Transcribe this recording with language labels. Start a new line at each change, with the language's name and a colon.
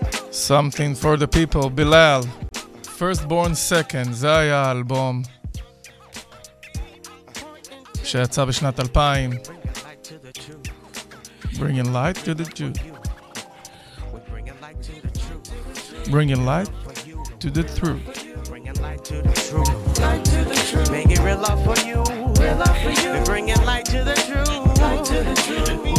English: Something for the people, בילאל.
Hebrew: First Born Second, זה היה האלבום שיצא בשנת 2000.
English: Bringing light to the truth. bringing light to the truth. Make it real love for you. Real love for you. We're bringing light to the truth. Light to the truth.